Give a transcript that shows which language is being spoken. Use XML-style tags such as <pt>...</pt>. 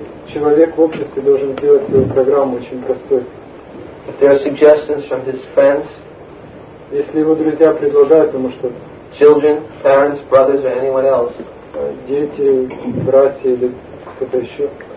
<ru>человек в обществе должен делать свою программу очень простой.</ru> <en>If there are suggestions from his friends,</en> <ru>если его друзья предлагают ему что-то,</ru> <en>children, parents, brothers, or anyone else,</en> <ru>дети, братья или кто-то еще,</ru>